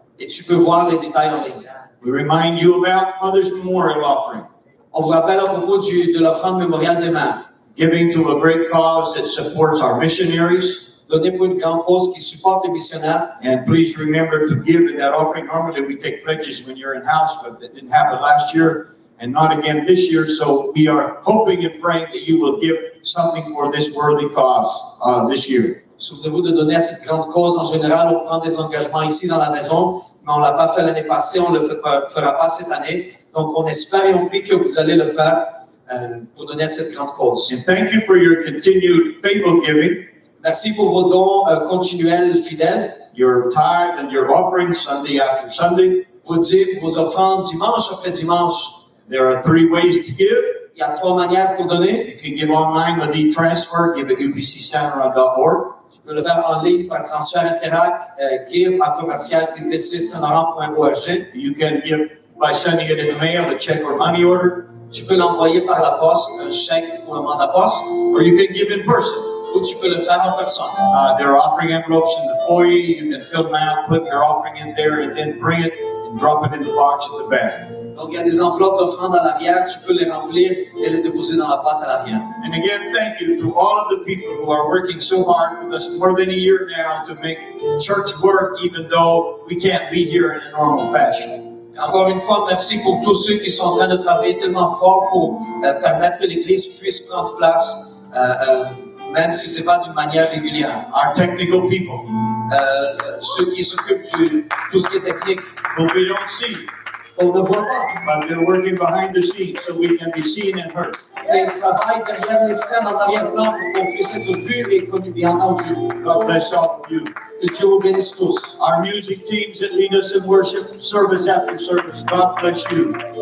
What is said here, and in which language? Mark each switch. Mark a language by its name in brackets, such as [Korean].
[French] Et tu peux voir les détails en ligne. [English] We remind you about Mother's Memorial Offering. [French] On vous rappelle à propos de l'offrande mémoriale demain. [English] Giving to a great cause that supports our missionaries. [French] Donnez pour une grande cause qui supporte les missionnaires. [English] And please remember to give in that offering. Normally we take pledges when you're in house, but that didn't happen last year and not again this year. So we are hoping and praying that you will give something for this worthy cause this year. [French] Souvenez-vous de donner à cette grande cause. En général, on prend des engagements ici dans la maison, mais on ne l'a pas fait l'année passée, on ne le fera pas cette année. Donc on espère et on prie que vous allez le faire pour donner à cette grande cause. [English] And thank you for your continued faithful giving. [French] Merci pour vos dons continuels fidèles. [English] Your tithe and your offering Sunday after Sunday. [French] Vos offrandes dimanche après dimanche. [English] There are 3 ways to give. [French] Il y a 3 manières pour donner. [English] You can give online with e-transfer, give at ubcsaint-laurent.org. [French] Tu peux le faire en ligne par transfert interact, give à commercial ubcsaint-laurent.org. [English] You can give by sending it in the mail, a check or money order. [French] Tu peux l'envoyer par la poste, un chèque ou un mandat poste. [English] Or you can give in person. [French] Ou tu peux le faire en personne. [English] There are offering envelopes in the foyer. You can fill them out, put your offering in there, and then bring it and drop it in the box at the back. [French] Donc il y a des enveloppes d'offrandes à l'arrière. Tu peux les remplir et les déposer dans la boîte à l'arrière. [English] And again, thank you to all of the people who are working so hard with us more than a year now to make church work, even though we can't be here in a normal fashion. [French] Encore une fois, merci pour tous ceux qui sont en train de travailler tellement fort pour permettre que l'Église puisse prendre place, même si ce n'est pas d'une manière régulière. [English] Our technical people. [French] Ceux qui s'occupent de tout ce qui est technique. [English] Who we don't see. [French] On ne voit pas. [English] But they're working behind the scenes so we can be seen and heard. [French] Ils travaillent derrière les scènes en arrière-plan pour qu'on puisse être vu et connu bien entendu. [English] God bless all of you. Our music teams that lead us in worship, service after service, God bless you.